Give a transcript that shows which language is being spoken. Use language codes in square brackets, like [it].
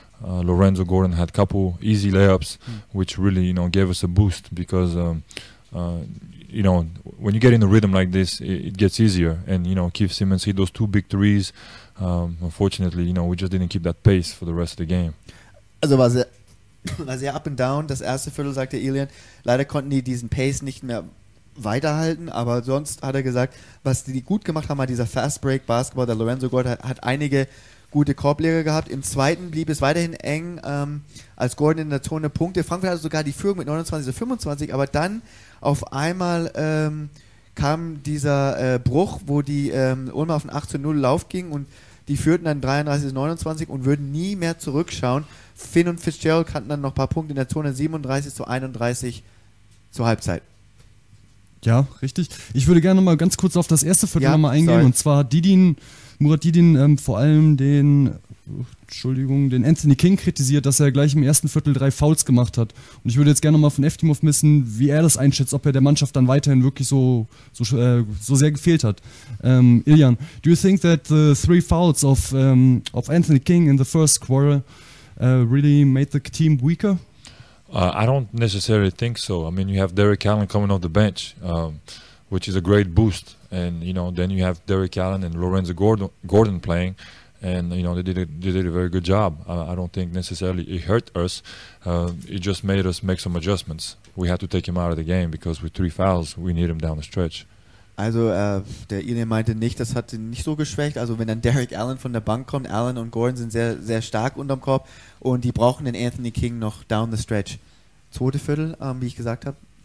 [en] Lorenzo Gordon had a couple easy layups, which really, you know, gave us a boost because you know, when you get in a rhythm like this, it gets easier. And you know, Keith Simmons hit those two big threes. Unfortunately, you know, we just didn't keep that pace for the rest of the game. [de] Also war sehr [en] up and down, [de] das erste Viertel, sagte Ilian. Leider konnten die diesen Pace nicht mehr weiterhalten, aber sonst hat er gesagt, was die gut gemacht haben, war dieser Fast Break Basketball. Der Lorenzo Gordon hat einige gute Korbleger gehabt. Im zweiten blieb es weiterhin eng, als Gordon in der Zone Punkte. Frankfurt hatte sogar die Führung mit 29 zu 25, aber dann auf einmal kam dieser Bruch, wo die Ulmer auf den 8-0 Lauf ging und die führten dann 33 zu 29 und würden nie mehr zurückschauen. Finn und Fitzgerald hatten dann noch ein paar Punkte in der Zone, 37 zu 31 zur Halbzeit. Ja, richtig. Ich würde gerne mal ganz kurz auf das erste Viertel nochmal eingehen. Sorry. Und zwar Murat Didin vor allem den Anthony King kritisiert, dass er gleich im ersten Viertel 3 Fouls gemacht hat. Und ich würde jetzt gerne nochmal von Eftimov wissen, wie er das einschätzt, ob er der Mannschaft dann weiterhin wirklich so sehr gefehlt hat. [en] Ilian, do you think that the 3 Fouls of Anthony King in the first quarter really made the team weaker? I don't necessarily think so. I mean, you have Derek Allen coming off the bench, which is a great boost. And, you know, then you have Derek Allen and Lorenzo Gordon playing. And, you know, they did a very good job. I don't think necessarily it hurt us. It just made us make some adjustments. We had to take him out of the game because with 3 fouls, we need him down the stretch. [de] Also der Ilian meinte nicht, das hat ihn nicht so geschwächt. Also wenn dann Derek Allen von der Bank kommt, Allen und Gordon sind sehr, sehr stark unterm Korb und die brauchen den Anthony King noch [en] down the stretch. [de] Zweite Viertel, wie ich gesagt habe,